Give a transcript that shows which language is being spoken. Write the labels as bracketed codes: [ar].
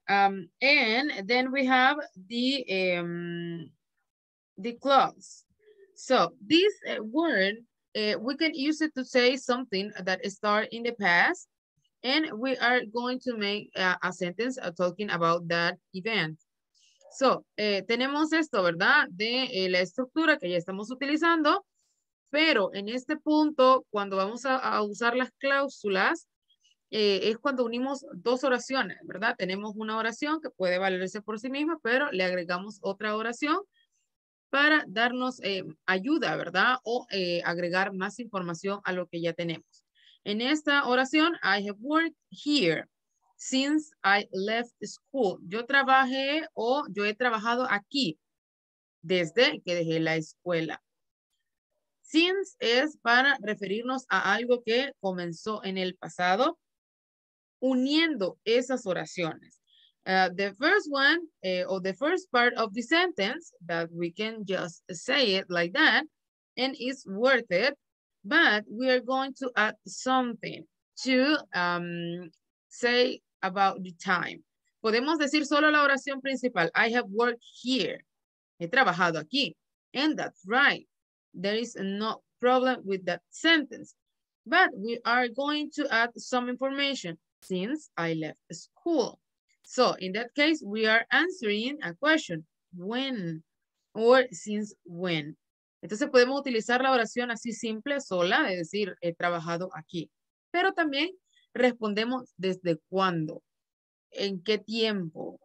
[en] And then we have the clause. So this word, we can use it to say something that start in the past, and we are going to make a sentence talking about that event. [es] So, tenemos esto, ¿verdad? De la estructura que ya estamos utilizando, pero en este punto, cuando vamos a usar las cláusulas, es cuando unimos dos oraciones, ¿verdad? Tenemos una oración que puede valerse por sí misma, pero le agregamos otra oración para darnos ayuda, ¿verdad? O agregar más información a lo que ya tenemos. En esta oración, [en] I have worked here since I left school. [es] Yo trabajé o yo he trabajado aquí desde que dejé la escuela. Since es para referirnos a algo que comenzó en el pasado, uniendo esas oraciones. [en] The first one, or the first part of the sentence, that we can just say it like that, and it's worth it, but we are going to add something to say about the time. [es] Podemos decir solo la oración principal, [en] I have worked here, [es] he trabajado aquí, [en] and that's right. There is no problem with that sentence, but we are going to add some information since I left school. So in that case, we are answering a question, when or since when. [es] Entonces podemos utilizar la oración así simple, sola, de decir, he trabajado aquí. Pero también respondemos desde cuándo, en qué tiempo.